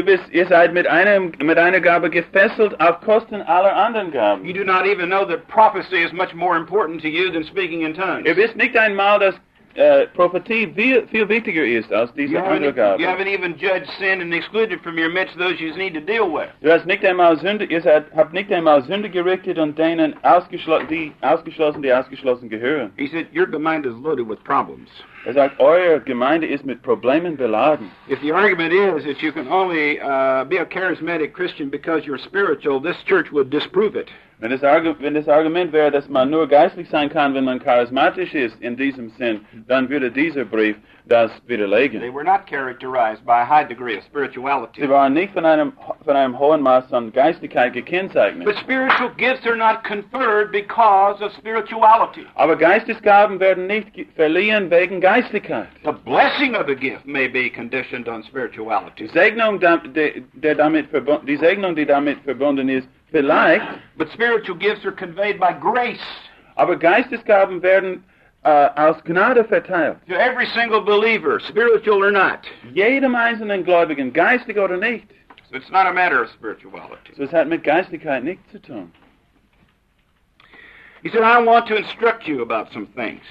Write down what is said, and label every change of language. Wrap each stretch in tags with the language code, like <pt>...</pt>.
<de>Ihr seid mit einer Gabe gefesselt auf Kosten aller anderen Gaben.</de> <en>You do not even know that prophecy is much more important to you than speaking in tongues.</en> <de>Ihr wisst nicht einmal, dass Prophetie viel wichtiger ist als diese andere Gabe.</de> <en>You haven't even judged sin and excluded from your midst those you need to deal with.</en> <de>Du hast nicht einmal Sünde, ihr habt nicht einmal Sünde gerichtet und denen die ausgeschlossen gehören.</de> <en>He said, your Gemeinde is loaded with problems.</en> <de>Er sagt, eure Gemeinde ist mit Problemen beladen.</de> <en>If the argument is that you can only be a charismatic Christian because you're spiritual, this church would disprove it.</en> <de>Wenn das Argument wäre, dass man nur geistlich sein kann, wenn man charismatisch ist in diesem Sinn, dann würde dieser Brief das widerlegen.</de> <en>They were not characterized by a high degree of spirituality.</en> <de>Sie waren nicht von einem hohen Maß an Geistlichkeit gekennzeichnet.</de> <en>But spiritual gifts are not conferred because of spirituality.</en> <de>Aber Geistesgaben werden nicht verliehen wegen Geistlichkeit.</de> <en>The blessing of a gift may be conditioned on spirituality.</en> <de>Die Segnung, die damit verbunden ist, vielleicht.</de> <en>But spiritual gifts are conveyed by grace.</en> <de>Aber Geistesgaben werden aus Gnade verteilt.</de> <en>To every single believer, spiritual or not.</en> <de>Jedem einzelnen Gläubigen, geistig oder nicht.</de> <en>So it's not a matter of spirituality.</en> <de>So es hat mit Geistlichkeit nichts zu tun.</de> <en>He said, I want to instruct you about some things.</en>